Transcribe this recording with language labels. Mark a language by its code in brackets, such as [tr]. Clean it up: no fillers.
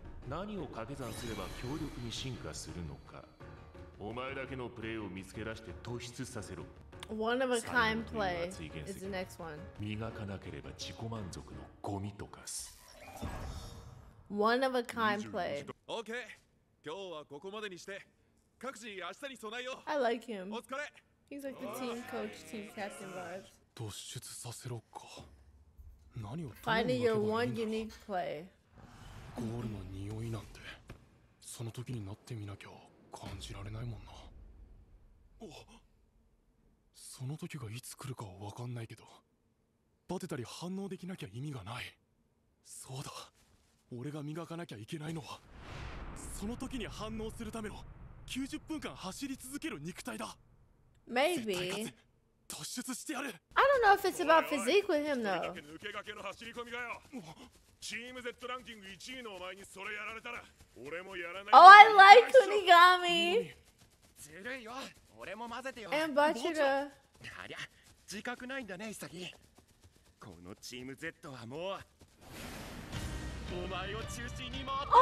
[ja] 何を掛け算すれば強力に進化するのか。お前だけのプレイを見つけ出して突出させろ。 [en] One of a kind play is the next one. [ja] 磨かなければ自己満足のゴミとかす。 [en] One of a kind play. Okay. [ja] 今日はここまでにして。各自明日に備えよう。 [en] I like him. [ja] お疲れ。 [en] He's like the team coach, team captain vibes. [ja] 突出させろか。何を [en] Finding your one unique play. [ja] ゴールの匂いなんて、その時になってみなきゃ感じられないもんな。その時がいつ来るかは分かんないけど、バテたり反応できなきゃ意味がない。そうだ、俺が磨かなきゃいけないのはその時に反応するための90分間走り続ける肉体だ。 [en] Maybe [ja] 突出してやる。 [en] I don't know if it's about physique with him though。 [ja] 抜け駆けの走り込みがよ。チーム Z ランキング1位のお前にそれやられたら俺もやらない。 [en] Oh I like Kunigami。 [ja] ずるいよ、俺も混ぜてよ。 [en] And Bachira。 [ja] ありゃ自覚ないんだね、イサギ。このチーム Z はもうお前を中心に回